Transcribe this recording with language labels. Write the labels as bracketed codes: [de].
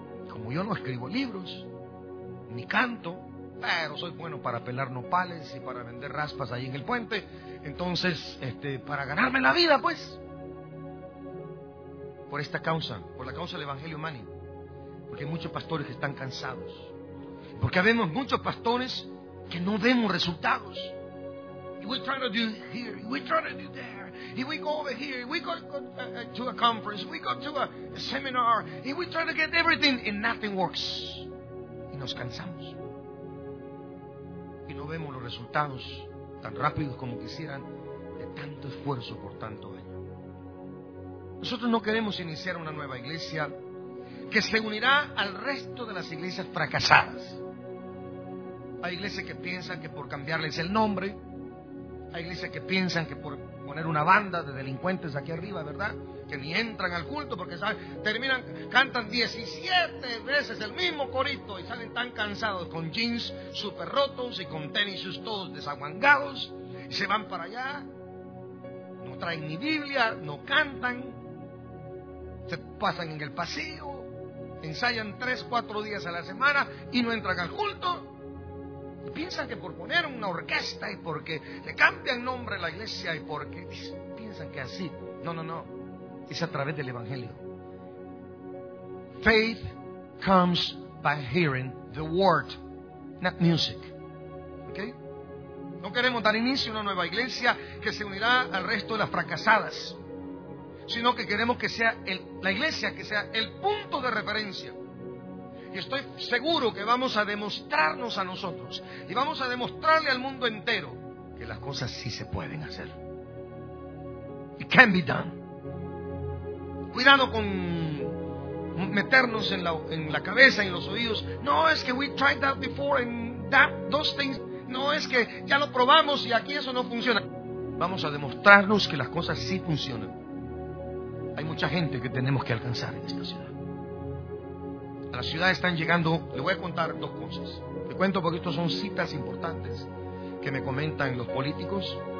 [es] Como yo no escribo libros, ni canto, pero soy bueno para pelar nopales y para vender raspas ahí en el puente. Entonces, para ganarme la vida, pues. Por esta causa, por la causa del Evangelio, Manny. Porque hay muchos pastores que están cansados. Porque habemos muchos pastores que no vemos resultados. [en] Y we're trying to do here, we're trying to do there. And we go over here, we go to a conference, we go to a seminar, and we try to get everything, and nothing works. [es] Y nos cansamos. Y no vemos los resultados tan rápidos como quisieran de tanto esfuerzo por tanto año. Nosotros no queremos iniciar una nueva iglesia que se unirá al resto de las iglesias fracasadas. Hay iglesias que piensan que por cambiarles el nombre, hay iglesias que piensan que por poner una banda de delincuentes aquí arriba, ¿verdad? Que ni entran al culto porque ¿sabes? Terminan, cantan 17 veces el mismo corito y salen tan cansados con jeans super rotos y con tenis todos desaguangados y se van para allá, no traen ni Biblia, no cantan, se pasan en el pasillo, ensayan 3-4 días a la semana y no entran al culto. Y piensan que por poner una orquesta y porque le cambian nombre a la iglesia y porque piensan que así. No, no, no. Es a través del evangelio. [en] Faith comes by hearing the word, not music. ¿Okay? [es] No queremos dar inicio a una nueva iglesia que se unirá al resto de las fracasadas, sino que queremos que sea la iglesia, que sea el punto de referencia. Y estoy seguro que vamos a demostrarnos a nosotros y vamos a demostrarle al mundo entero que las cosas sí se pueden hacer. [en] It can be done. [es] Cuidado con meternos en la cabeza, en los oídos. No, es que [en] we tried that before and that, those things. [es] No, es que ya lo probamos y aquí eso no funciona. Vamos a demostrarnos que las cosas sí funcionan. Hay mucha gente que tenemos que alcanzar en esta ciudad. A la ciudad están llegando, le voy a contar dos cosas. Le cuento porque estos son citas importantes que me comentan los políticos.